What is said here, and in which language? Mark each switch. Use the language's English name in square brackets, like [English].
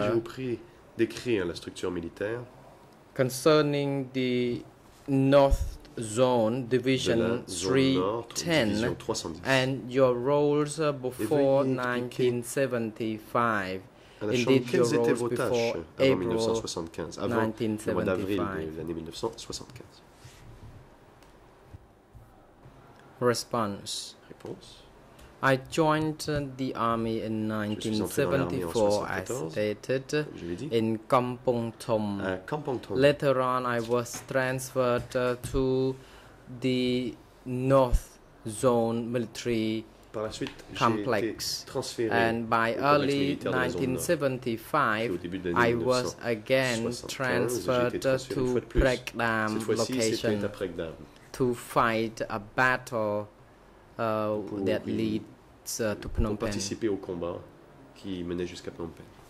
[French] Oui, je vous prie d'écrire la structure militaire. [English] Concerning the North Zone Division 310 and your roles before 1975. Indeed, your roles before April 1975. [French] Avant le mois d'avril de l'année 1975. [English] Response. [French] Réponse. [English] I joined the army in 1974, as stated, in Kampong Tom. Kampong Tom. Later on, I was transferred to the North Zone Military Complex. And by early 1975, I was again transferred to Prekdam location to fight a battle that led to Phnom Penh. [French] Pour participer au combat qui menait jusqu'à Phnom Penh.